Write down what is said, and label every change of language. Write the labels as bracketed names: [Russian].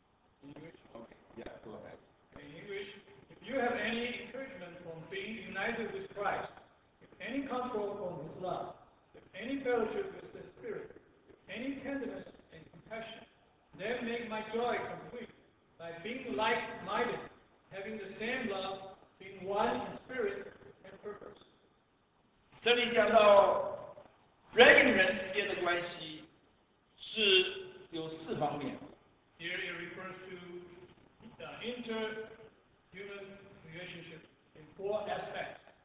[Chinese] 爱情有什么安慰？圣灵有什么教导？心中有什么悲怜悯？你们不要意念相同，爱情相同，有一样的心思，有一样的意念，使我的喜乐可以满足。 [English] If you have any encouragement from being united with Christ, any comfort from His love, if any fellowship with the Spirit, if any tenderness and compassion, then make my joy complete by being like-minded, having the same love, being one in spirit and purpose. [Chinese] 这里讲到人与人之间的关系是有四方面。 [English] Here it refers to the inter-human relationship in four aspects.